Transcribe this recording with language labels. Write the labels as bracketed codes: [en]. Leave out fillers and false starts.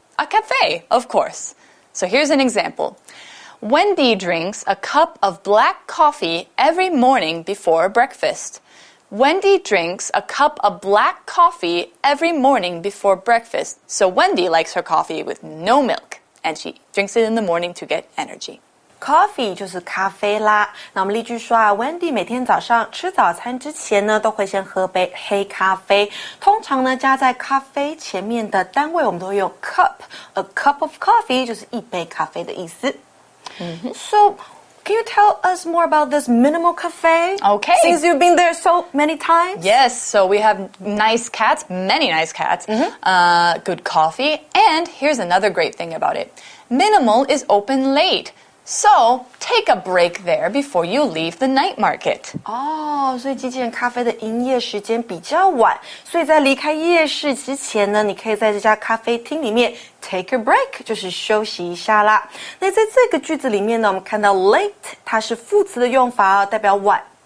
[en] A cafe, of course. So here's an example. Wendy drinks a cup of black coffee every morning before breakfast. Wendy drinks a cup of black coffee every morning before breakfast. So Wendy likes her coffee with no milk. And she drinks it in the morning to get energy. [zh] Coffee 就是咖啡啦。那我们例句说啊 ，Wendy 每天早上吃早餐之前呢，都会先喝杯黑咖啡。通常呢，加在咖啡前面的单位，我们都用 cup. [en] A cup of coffee [zh] 就是一杯咖啡的意思。 [en] So, can you tell us more about this Minimal Cafe? Okay. Since you've been there so many times. Yes. So we have nice cats, many nice cats. Good coffee. And here's another great thing about it. Minimal is open late. So, take a break there before you leave the night market. [zh] Oh, 所以机器人咖啡的营业时间比较晚。所以在离开夜市之前呢，你可以在这家咖啡厅里面 [en] take a break, [zh] 就是休息一下啦。那在这个句子里面呢，我们看到 late, 它是副词的用法，代表晚。